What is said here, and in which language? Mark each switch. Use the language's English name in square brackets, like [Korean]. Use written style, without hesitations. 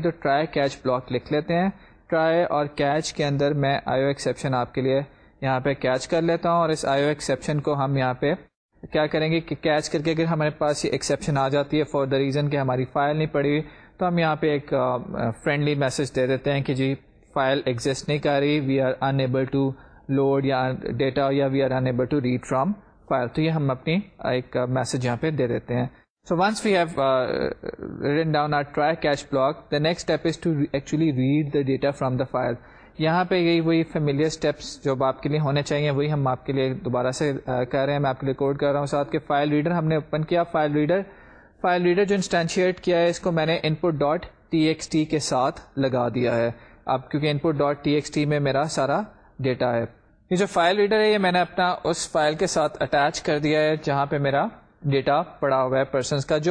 [Urdu] تو try catch block لکھ لیتے ہیں. ٹرائی اور کیچ کے اندر میں آئی او ایکسیپشن آپ کے لیے یہاں پہ کیچ کر لیتا ہوں, اور اس آئی او ایکسیپشن کو ہم یہاں پہ کیا کریں گے کہ کیچ کر کے اگر ہمارے پاس یہ ایکسیپشن آ جاتی ہے [English] for the reason [Urdu] کہ ہماری فائل نہیں پڑی ہوئی, تو ہم یہاں پہ ایک فرینڈلی میسج دے دیتے ہیں کہ جی فائل ایگزسٹ نہیں کر رہی, [English] We are unable to load یا data یا we are unable to read from file. [Urdu] تو یہ ہم اپنی ایک میسج یہاں پہ دے دیتے ہیں. [English] So once we have written down our try catch block, the next step is to actually read the data from the file. [Urdu] یہاں پہ یہی وہی [English] familiar steps [Urdu] جو آپ کے لیے ہونے چاہیے وہی ہم آپ کے لیے دوبارہ سے کہہ رہے ہیں, میں آپ کے لیے کوڈ کر رہا ہوں ساتھ کے. فائل ریڈر ہم نے اوپن کیا, فائل ریڈر جو انسٹینشیٹ کیا ہے اس کو میں نے ان پٹ ڈاٹ ٹی ایکس ٹی کے ساتھ لگا دیا ہے. اب کیونکہ ان پٹ ڈاٹ ٹی ایکس ٹی میں میرا سارا ڈیٹا ہے. یہ جو فائل ریڈر ہے یہ میں نے اپنا اس فائل کے ساتھ اٹیچ کر دیا ہے جہاں پہ میرا ڈیٹا پڑا ہوا ہے پرسنس کا.